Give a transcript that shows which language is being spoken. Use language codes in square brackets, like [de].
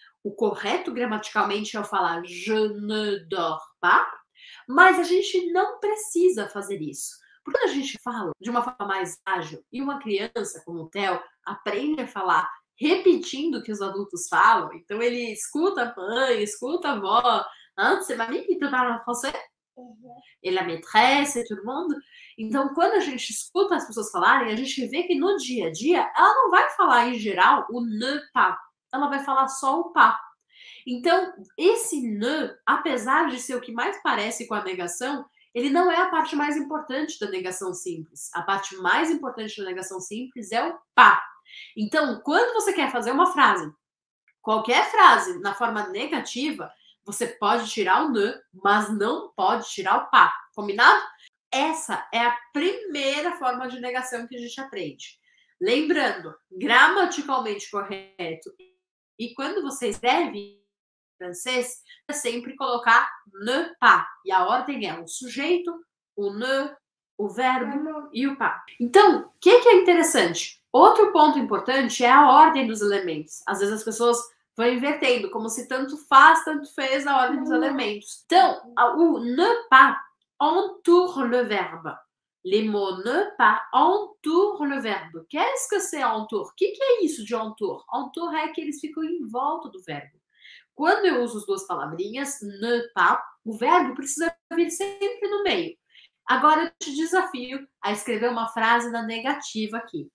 [pt] O correto gramaticalmente é eu falar [fr] je ne dors pas, [pt] mas a gente não precisa fazer isso. Porque quando a gente fala de uma forma mais ágil e uma criança, como o Theo, aprende a falar repetindo o que os adultos falam, então ele escuta a mãe, escuta a avó, antes, [fr] c'est mamie qui te parle en français? Et la maîtresse, et tout le monde. [pt] Então, quando a gente escuta as pessoas falarem, a gente vê que no dia a dia ela não vai falar em geral o ne pas, ela vai falar só o pas. Então, esse ne, apesar de ser o que mais parece com a negação, ele não é a parte mais importante da negação simples. A parte mais importante da negação simples é o pa. Então, quando você quer fazer uma frase, qualquer frase na forma negativa, você pode tirar o ne, mas não pode tirar o pa. Combinado? Essa é a primeira forma de negação que a gente aprende. Lembrando, gramaticalmente correto. E quando você escreve em francês, é sempre colocar ne pas. E a ordem é o sujeito, o ne, o verbo e o pas. Então, o que, que é interessante? Outro ponto importante é a ordem dos elementos. Às vezes as pessoas vão invertendo, como se tanto faz, tanto fez a ordem dos elementos. [fr] Então, o ne pas entoure le verbe. Les mots ne pas entourent le verbe. Qu'est-ce que c'est entour? [pt] O que, que é isso de entour? Entour é que eles ficam em volta do verbo. Quando eu uso as duas palavrinhas, ne pas, o verbo precisa vir sempre no meio. Agora eu te desafio a escrever uma frase na negativa aqui.